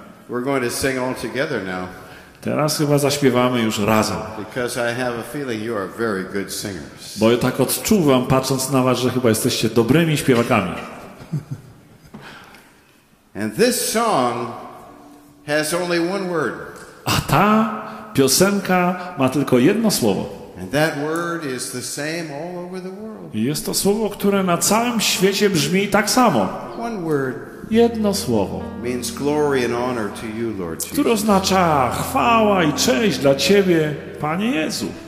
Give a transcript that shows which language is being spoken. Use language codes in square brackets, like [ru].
[en] We're going to sing all together now. [pl] Teraz chyba zaśpiewamy już razem. [en] Because I have a feeling you are very good singers. [pl] Bo ja tak odczuwam, patrząc na was, że chyba jesteście dobrymi śpiewakami. [en] And this song has only one word. [pl] A ta piosenka ma tylko jedno słowo. [en] And that word is the same all over the world. [pl] I jest to słowo, które na całym świecie brzmi tak samo. [en] One word. [pl] Jedno słowo. [en] Means glory and honor to you, Lord Jesus. [pl] Które oznacza chwała i cześć dla Ciebie, Panie Jezu.